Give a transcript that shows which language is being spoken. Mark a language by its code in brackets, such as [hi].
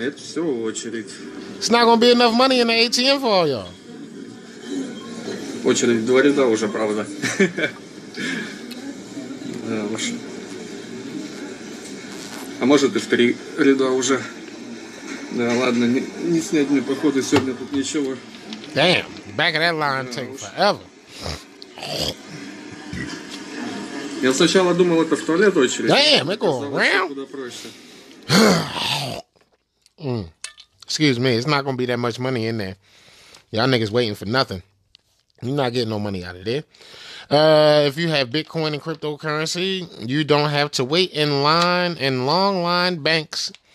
[en] It's not gonna be enough money in the ATM for all y'all. [ru] Очередь два ряда уже, правда. А может и в три ряда уже. Да ладно, не снять мне походу сегодня тут ничего. [en] Damn, back of that line take forever. [ru] Я сначала думал, это в туалет очередь. [en] Damn, it goes around. Excuse me, it's not gonna be that much money in there. Y'all niggas waiting for nothing. You're not getting no money out of there. If you have Bitcoin and cryptocurrency, you don't have to wait in line in long line banks.